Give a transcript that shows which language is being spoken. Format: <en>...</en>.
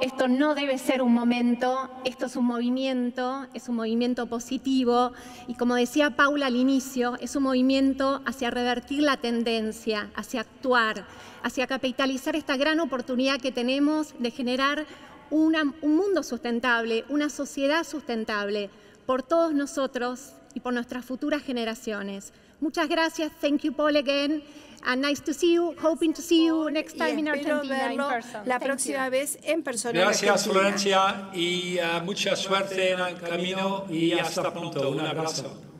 <es>esto no debe ser un momento, esto es un movimiento positivo, y como decía Paula al inicio, es un movimiento hacia revertir la tendencia, hacia actuar, hacia capitalizar esta gran oportunidad que tenemos de generar un mundo sustentable, una sociedad sustentable, por todos nosotros y por nuestras futuras generaciones. Muchas gracias,</es> <en>thank you Paul again. And nice to see you, hoping to see you next time in Argentina, in person.</en> <es>La próxima vez en persona. Gracias, Florencia, y mucha suerte en el camino y hasta pronto. Un abrazo.</es>